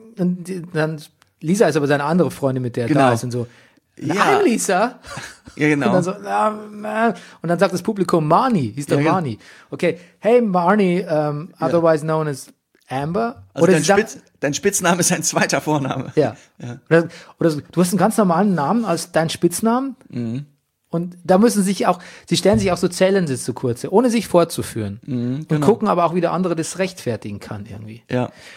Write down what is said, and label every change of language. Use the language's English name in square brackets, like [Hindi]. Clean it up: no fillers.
[German] Und dann Lisa ist aber seine andere Freundin, mit der genau. da ist und so. Nein, ja. Lisa. Ja, genau. Und dann so, und dann sagt das Publikum, Marnie, hieß doch ja, Marnie. [English] Okay, hey Marnie, otherwise known as Amber. [German] Also oder dein Spitzname ist ein zweiter Vorname. Ja. Oder so, du hast einen ganz normalen Namen als dein Spitznamen. Mhm. Und da müssen sie stellen sich auch so Challenges zu kurze, ohne sich vorzuführen. Genau. Und gucken aber auch, wie der andere das rechtfertigen kann irgendwie. Ja.